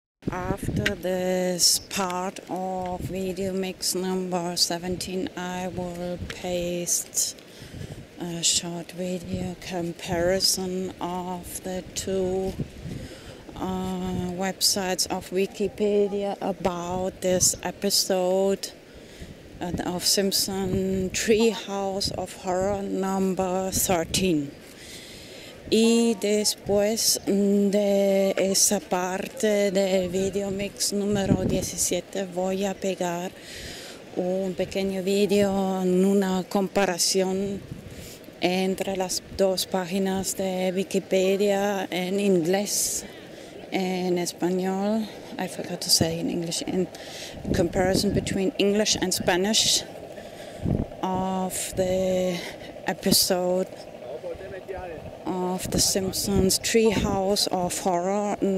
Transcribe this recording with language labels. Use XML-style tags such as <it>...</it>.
<en>After this part of VideoMix number 17, I will paste a short video comparison of the two websites of Wikipedia about this episode of Simpson Treehouse of Horror number 13.</en> <es>Y después de esa parte del VideoMix número 17 voy a pegar un pequeño video en una comparación entre las dos páginas de Wikipedia en inglés.</es> <en>In español, I forgot to say in English, in comparison between English and Spanish of the episode of The Simpsons Treehouse of Horror.</en>